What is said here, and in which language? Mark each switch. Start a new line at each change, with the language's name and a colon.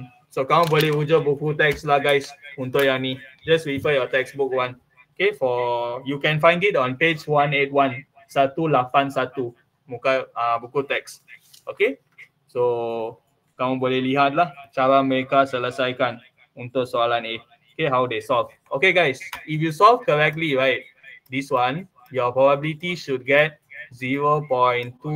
Malay: So kamu boleh ujar buku teks lah guys. Untuk yang ni,
English: just refer your textbook one. Okay, for you can find it on page 181.
Malay: 181 muka buku teks. Okay, so kamu boleh lihatlah cara mereka selesaikan untuk soalan A.
English: Okay, how they solve. Okay guys, if you solve correctly right, this one, your probability should get 0.2708.